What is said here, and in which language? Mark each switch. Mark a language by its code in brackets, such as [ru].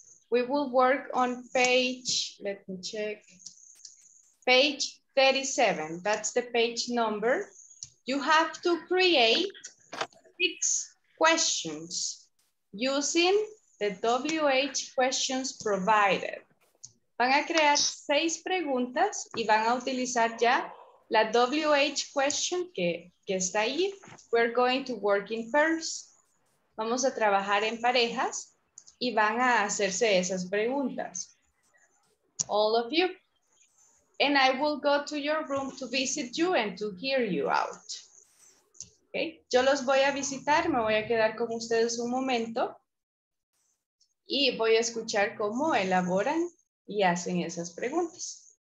[en] We will work on page 37. That's the page number. You have to create six questions using the WH questions provided. [es] Van a crear seis preguntas y van a utilizar ya la WH question que está ahí. [en] We're going to work in pairs. [es] Vamos a trabajar en parejas y van a hacerse esas preguntas. [en] All of you. And I will go to your room to visit you and to hear you out. Okay. [es] Yo los voy a visitar, me voy a quedar con ustedes un momento y voy a escuchar cómo elaboran y hacen esas preguntas.